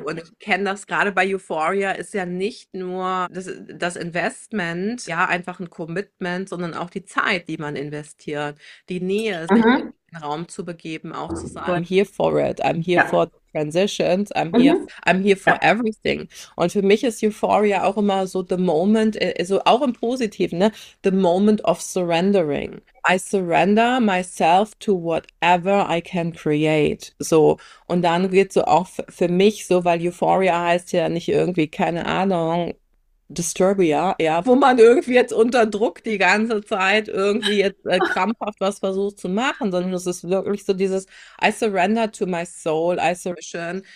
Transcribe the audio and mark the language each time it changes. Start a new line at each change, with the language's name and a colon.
German: Und ich kenne das gerade bei Euphoria, ist ja nicht nur das Investment, ja, einfach ein Commitment, sondern auch die Zeit, die man investiert, die Nähe, sich in den Raum zu begeben, auch zu sagen,
English: I'm here for it, I'm here for the transitions, I'm here for everything.
German: Und für mich ist Euphoria auch immer
English: so the moment,
German: also auch im Positiven, ne?
English: The moment of surrendering. I surrender myself to whatever I can create. So.
German: Und dann geht so auch für mich so, weil Euphoria heißt ja nicht irgendwie, keine Ahnung, Disturbia, ja, wo man irgendwie jetzt unter Druck die ganze Zeit irgendwie jetzt krampfhaft was versucht zu machen, sondern es ist wirklich so dieses
English: I surrender to my soul, I surrender.